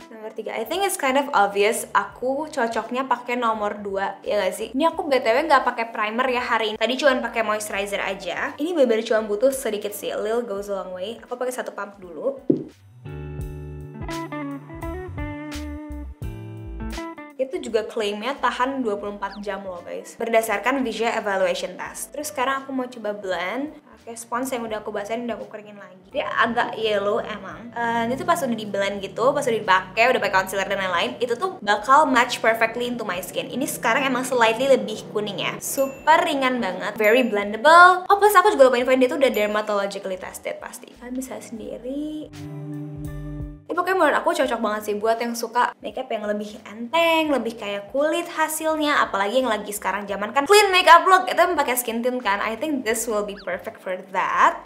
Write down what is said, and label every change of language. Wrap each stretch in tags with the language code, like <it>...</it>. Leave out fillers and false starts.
<en>I think it's kind of obvious</en> <id>aku cocoknya pakai nomor 2, ya gak sih? Ini aku BTW gak pakai primer ya hari ini. Tadi cuman pakai moisturizer aja. Ini bener-bener cuman butuh sedikit sih.</id> <en>A little goes a long way.</en> <id>Aku pakai satu pump dulu. Itu juga klaimnya tahan 24 jam loh guys, berdasarkan visual evaluation test. Terus sekarang aku mau coba blend pakai spons yang udah aku basahin, udah aku keringin lagi. Dia agak yellow emang. Ini tuh pas udah di blend gitu, pas udah dipakai, udah pakai concealer dan lain-lain, itu tuh bakal</id> <en>match perfectly into my skin.</en> <id>Ini sekarang emang slightly lebih kuning ya. Super ringan banget,</id> <en>very blendable.</en> <id>Oh plus aku juga lupa infoin, dia tuh udah dermatologically tested pasti. Kalian bisa sendiri. Ini pokoknya menurut aku cocok banget sih buat yang suka makeup yang lebih enteng, lebih kayak kulit hasilnya. Apalagi yang lagi sekarang zaman kan clean makeup look, itu emang pake skin tint kan.</id> <en>I think this will be perfect for that.</en>